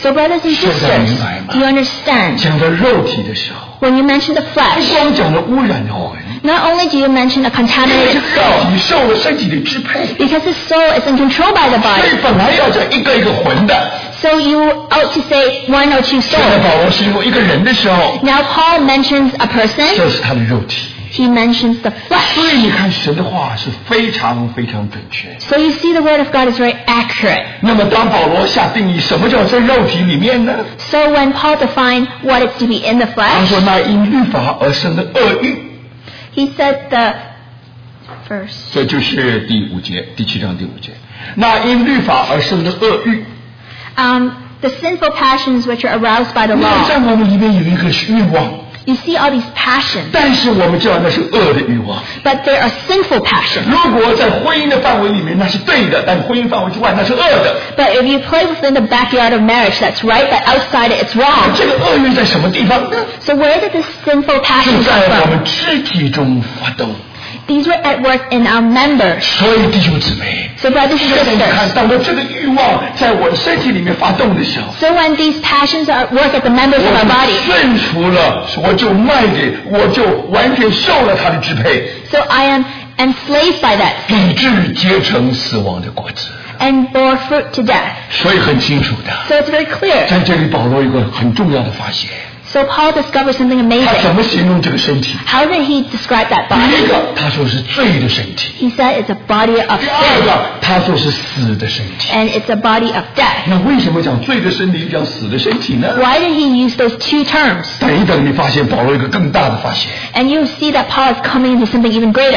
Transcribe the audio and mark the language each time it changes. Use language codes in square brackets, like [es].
[en] so brothers and sisters, do you understand? [zh] 讲到肉体的时候, [en] when you mention the flesh, [zh] 不光讲了污染的魂, [en] not only do you mention a contaminated soul, because the soul is in control by the body. [zh] 所以本来要讲一个一个魂的, [en] so you ought to say one or two souls. [zh] 现在保罗形容一个人的时候, [en] now Paul mentions a person. [zh] 这是他的肉体, [en] he mentions the flesh. [zh] 所以你看神的话是非常非常准确, [en] so you see the word of God is very accurate. [zh] 那么当保罗下定义, 什么叫在肉体里面呢? [en] So when Paul defined what it's to be in the flesh, [zh] 他说那因律法而生的恶欲, [en] he said the verse, [zh] 这就是第五节, 第七章第五节, 那因律法而生的恶欲, [en] the sinful passions which are aroused by the law. [zh] 那在我们里面有一个欲望, [en] you see all these passions. [zh] 但是我们知道那是恶的欲望, [en] but they are sinful passions. [zh] 如果在婚姻的范围里面, 那是对的, 但婚姻范围之外, 那是恶的, [en] but if you play within the backyard of marriage, that's right, but outside it, it's wrong. [zh] 这个恶欲在什么地方呢? [en] So where did this sinful passion come from? [zh] 就在我们肢体中发动, [en] these were at work in our members. [zh] 所以弟兄姊妹, [en] so brothers and sisters, [zh] 现在你看, 当这个欲望在我的身体里面发动的时候, [en] so when these passions are at work at the members of our body, [zh] 顺服了, 我就卖给, 我就完全受了他的支配, [en] so I am enslaved by that, [zh] 以致结成死亡的果子, [en] and bore fruit to death. [zh] 所以很清楚的, [en] so it's very clear. [zh] 在这里保罗有一个很重要的发现, [en] so Paul discovered something amazing. [zh] 他怎么形容这个身体? [en] How did he describe that body? [zh] 第一个, [en] he said it's a body of sin. And it's a body of death. [zh] 那为什么讲罪的身体, 讲死的身体呢? [en] Why did he use those two terms? [zh] 等一等, [en] and you see that Paul is coming into something even greater.